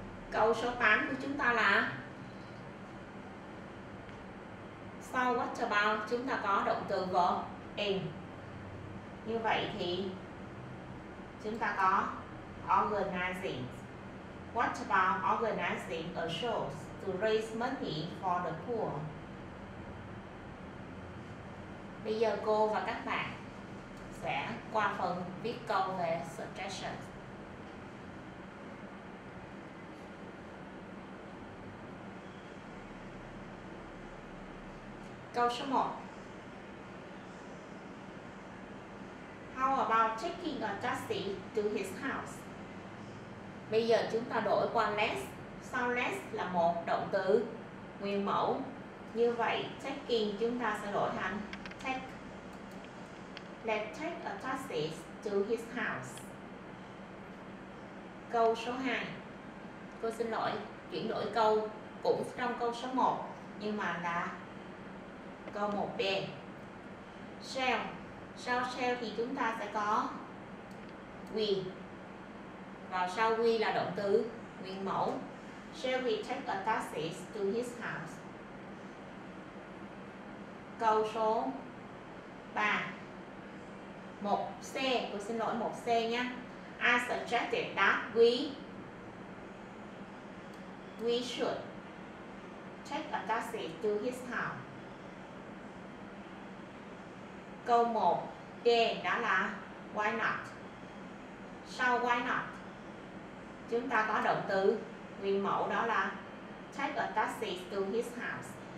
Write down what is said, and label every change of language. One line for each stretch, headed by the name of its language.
Vietnamese: Câu số 8 của chúng ta là sau what about chúng ta có động từ verb in. Như vậy thì chúng ta có organizing.
English: What about organizing a show to raise money for the poor?
Vietnamese: Bây giờ cô và các bạn sẽ qua phần viết câu về suggestion. Câu số 1.
English: How about taking a taxi to his house?
Vietnamese: Bây giờ chúng ta đổi qua let's. Sau let's là một động từ nguyên mẫu. Như vậy taking chúng ta sẽ đổi thành
English: take. Let's take a taxi to his house.
Vietnamese: Câu số 2. Cô xin lỗi, chuyển đổi câu cũng trong câu số 1 nhưng mà là câu 1B. Shall. Sau shall thì chúng ta sẽ có we. Và sau we là động từ nguyên mẫu.
English: Shall we take a taxi to his house?
Vietnamese: Câu số 3. Một xe, cô xin lỗi một xe nha.
English: I suggested that we should take a taxi to his house.
Vietnamese: Câu 1 D đó là why not. Sau why not chúng ta có động từ nguyên mẫu đó là
English: take a taxi to his house.